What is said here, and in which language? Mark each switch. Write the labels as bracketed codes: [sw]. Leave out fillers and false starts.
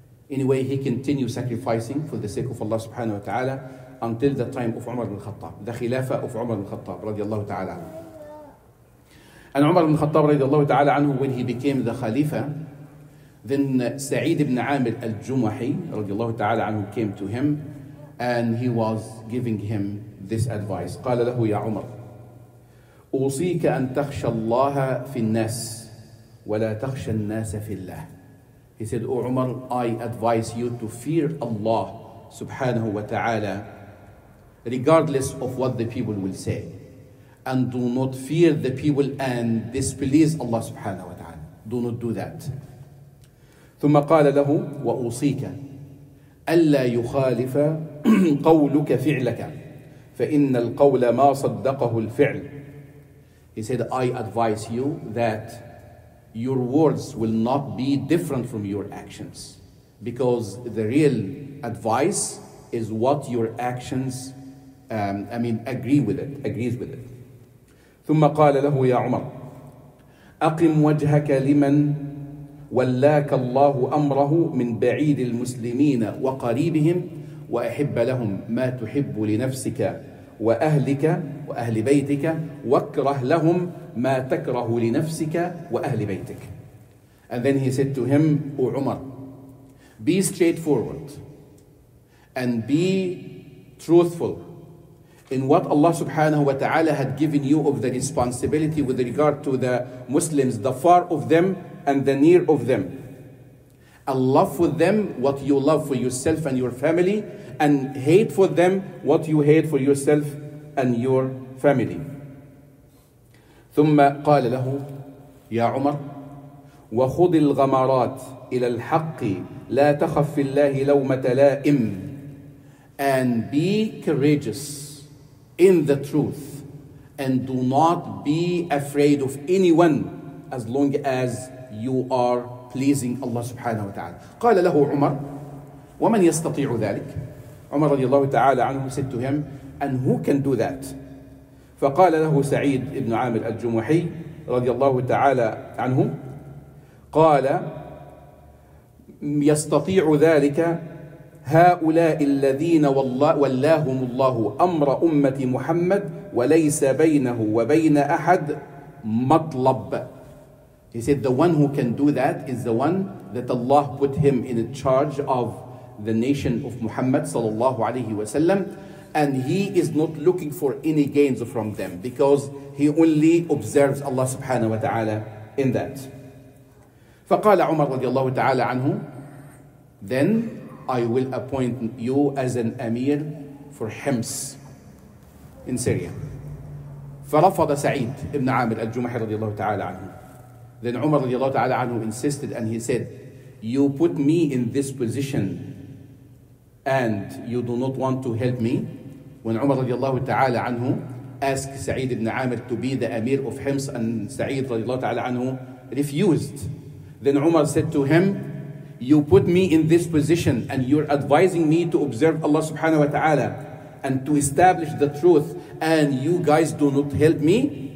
[en] Anyway, he continued sacrificing for the sake of Allah subhanahu wa ta'ala until the time of Umar ibn Khattab, the Khilafah of Umar ibn Khattab radiallahu ta'ala anhu. And Umar ibn Khattab radiallahu ta'ala anhu, when he became the Khalifa, then Sa'id ibn Amir al-Jumahi radiallahu ta'ala anhu came to him and he was giving him this advice. [ar] قال له يا عمر أوصيك أن تخشى الله في الناس ولا تخشى الناس في الله. [en] He said, O Umar, I advise you to fear Allah subhanahu wa ta'ala regardless of what the people will say. And do not fear the people and displease Allah subhanahu wa ta'ala. Do not do that. [ar] ثم قال له وأوصيك ألا يخالف قولك فعلك فإن القول ما صدقه الفعل. [en] He said, I advise you that your words will not be different from your actions, because the real advice is what your actions, agrees with it. [ar] ثم قال له يا عمر أقم وجهك لمن ولاك الله أمره من بعيد المسلمين وقريبهم وأحب لهم ما تحب لنفسك وأهلك وأهل بيتك واكره لهم ما تكره لنفسك وأهل بيتك. [en] And then he said to him, O Umar, be straightforward and be truthful in what Allah subhanahu wa ta'ala had given you of the responsibility with regard to the Muslims, the far of them and the near of them. And love for them what you love for yourself and your family, and hate for them what you hate for yourself and your family. [ar] ثم قال له يا عمر وخذ الغمرات إلى الحق لا تخف في الله لومة لائم. [en] And be courageous in the truth and do not be afraid of anyone as long as you are pleasing Allah subhanahu wa ta'ala. [ar] قال له عمر ومن يستطيع ذلك. [en] عمر رضي الله تعالى عنه said to him, and who can do that? [ar] فقال له سعيد ابن عامر الجمحي رضي الله تعالى عنه قال يستطيع ذلك هؤلاء الذين والله ولاهم الله أمر أمة محمد وليس بينه وبين أحد مطلب. [en] He said the one who can do that is the one that Allah put him in charge of the nation of Muhammad sallallahu alayhi wa sallam, and he is not looking for any gains from them because he only observes Allah subhanahu wa ta'ala in that. فقال عمر رضي الله تعالى عنه then I will appoint you as an emir for Hims in Syria. [ar] فرفض سعيد ابن عامر الجمحي رضي الله تعالى عنه. [en] Then عمر رضي الله تعالى عنه insisted and he said, you put me in this position and you do not want to help me. When Umar radiallahu ta'ala anhu asked Sa'id ibn Amir to be the Amir of Hims and Sa'id radiallahu ta'ala anhu refused, then Umar said to him, you put me in this position and you're advising me to observe Allah subhanahu wa ta'ala and to establish the truth and you guys do not help me.